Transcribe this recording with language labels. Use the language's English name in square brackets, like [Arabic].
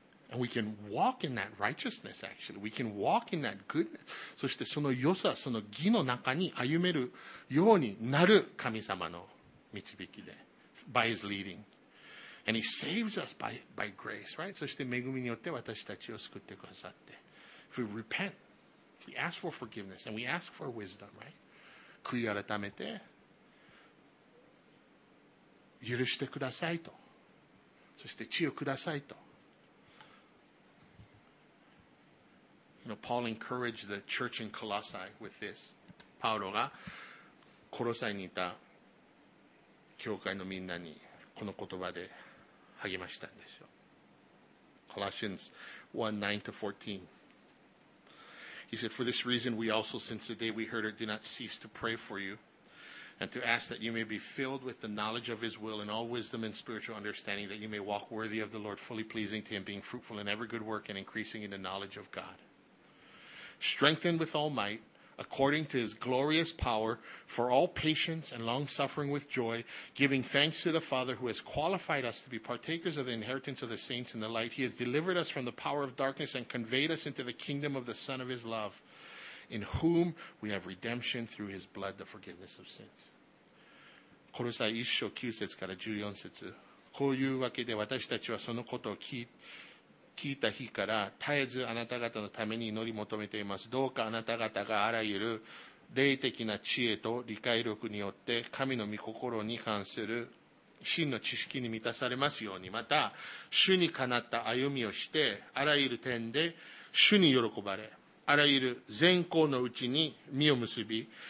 [English] And we can walk in that righteousness, actually. We can walk in that goodness. [Japanese] そしてその良さ、その義の中に歩めるようになる神様の導きで。 [English] By his leading. And he saves us by grace, right? [Japanese] そして恵みによって私たちを救ってくださって。 [English] If we repent, if we ask for forgiveness, and we ask for wisdom, right? [Japanese] 悔い改めて、許してくださいと。そして知をくださいと。 [English] You know, Paul encouraged the church in Colossae with this. [Japanese] パウロがコロサイにいた教会のみんなにこの言葉で励ましたんですよ。 [English] Colossians 1:9-14. He said, For this reason we also, since the day we heard it, do not cease to pray for you and to ask that you may be filled with the knowledge of his will and all wisdom and spiritual understanding that you may walk worthy of the Lord, fully pleasing to him, being fruitful in every good work and increasing in the knowledge of God. Strengthened with all might, according to his glorious power, for all patience and long-suffering with joy, giving thanks to the Father who has qualified us to be partakers of the inheritance of the saints in the light. He has delivered us from the power of darkness and conveyed us into the kingdom of the Son of his love, in whom we have redemption through his blood, the forgiveness of sins. [Japanese] コロサイ1章9節から14節。こういうわけで私たちはそのことを聞いた日から絶えずあなた方のために祈り求めています。どうかあなた方があらゆる霊的な知恵と理解力によって神の御心に関する真の知識に満たされますように、また主にかなった歩みをしてあらゆる点で主に喜ばれ、あらゆる善行のうちに身を結び、